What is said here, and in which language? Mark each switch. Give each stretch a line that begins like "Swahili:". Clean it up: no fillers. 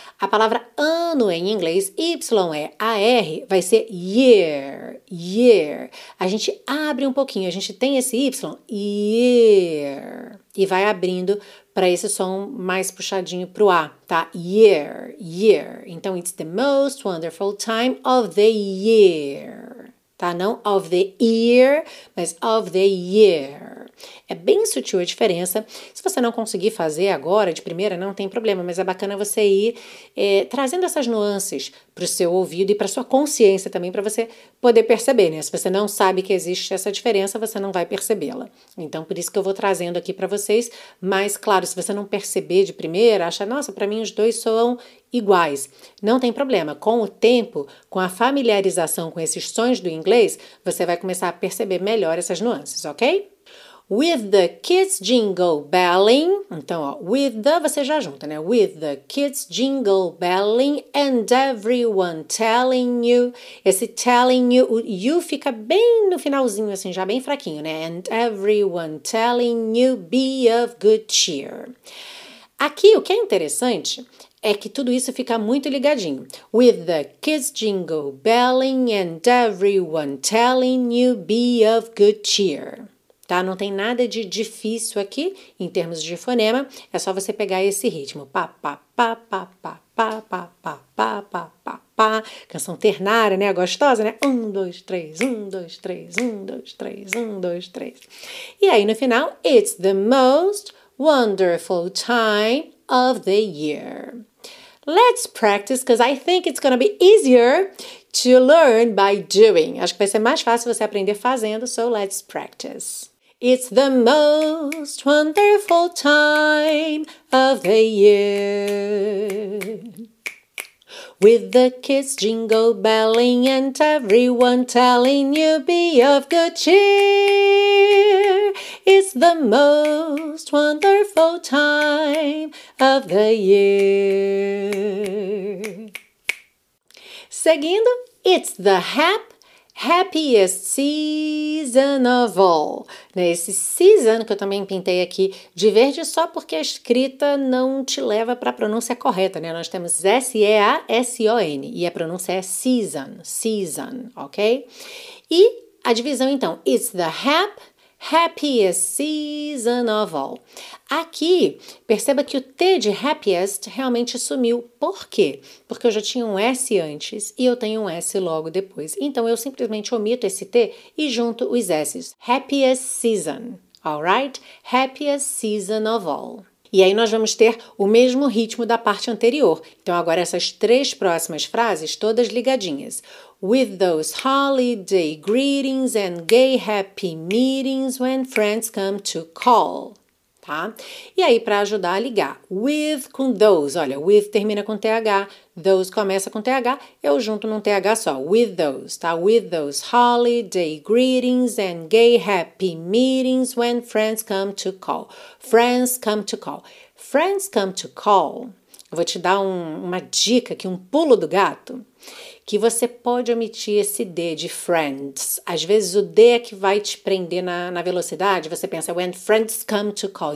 Portuguese: A palavra ano em inglês, Y é a R, vai ser year, year. A gente abre um pouquinho, a gente tem esse Y, year, e vai abrindo para esse som mais puxadinho para o A, tá? Year, year. Então,
English: it's the most wonderful time of the year,
Portuguese: tá? Não of the year, mas of the year. É bem sutil a diferença. Se você não conseguir fazer agora, de primeira, não tem problema, mas é bacana você ir trazendo essas nuances para o seu ouvido e para a sua consciência também, para você poder perceber, né? Se você não sabe que existe essa diferença, você não vai percebê-la. Então, por isso que eu vou trazendo aqui para vocês. Mas, claro, se você não perceber de primeira, acha, nossa, para mim os dois soam iguais. Não tem problema. Com o tempo, com a familiarização com esses sons do inglês, você vai começar a perceber melhor essas nuances, ok?
English: With the kids jingle belling,
Portuguese: então, ó, with the, você já junta, né?
English: With the kids jingle belling and everyone telling you.
Portuguese: Esse telling you, o you fica bem no finalzinho, assim, já bem fraquinho, né?
English: And everyone telling you be of good cheer.
Portuguese: Aqui, o que é interessante é que tudo isso fica muito ligadinho.
English: With the kids jingle belling and everyone telling you be of good cheer.
Portuguese: Tá? Não tem nada de difícil aqui em termos de fonema, é só você pegar esse ritmo. Pá, pá, pá, pá, pá, pá, pá, pá, pá, pá, pá, pá. Canção ternária, né? Gostosa, né? Um, dois, três, um, dois, três, um, dois, três, um, dois, três. E aí no final,
English: it's the most wonderful time of the year. Let's practice, because I think it's going to be easier to learn by doing.
Portuguese: Acho que vai ser mais fácil você aprender fazendo,
English: so let's practice. It's the most wonderful time of the year. With the kids jingle belling and everyone telling you be of good cheer. It's the most wonderful time of the year.
Portuguese: Seguindo,
English: it's the happiest season of all.
Portuguese: Esse season que eu também pintei aqui de verde só porque a escrita não te leva para a pronúncia correta, né? Nós temos S-E-A-S-O-N e a pronúncia é season, season, ok? E a divisão então,
English: it's the happiest season of all.
Portuguese: Aqui, perceba que o T de happiest realmente sumiu. Por quê? Porque eu já tinha um S antes e eu tenho um S logo depois. Então, eu simplesmente omito esse T e junto os S's.
English: Happiest season, alright? Happiest season of all.
Portuguese: E aí, nós vamos ter o mesmo ritmo da parte anterior. Então, agora essas três próximas frases todas ligadinhas.
English: With those holiday greetings and gay happy meetings when friends come to call.
Portuguese: Tá? E aí, para ajudar a ligar, with com those, olha, with termina com TH, those começa com TH, eu junto num TH só, with those, tá?
English: With those holiday greetings and gay happy meetings when friends come to call. Friends come to call.
Portuguese: Friends come to call, eu vou te dar uma dica aqui, um pulo do gato, que você pode omitir esse D de friends. Às vezes o D é que vai te prender na velocidade. Você pensa,
English: when friends come to call.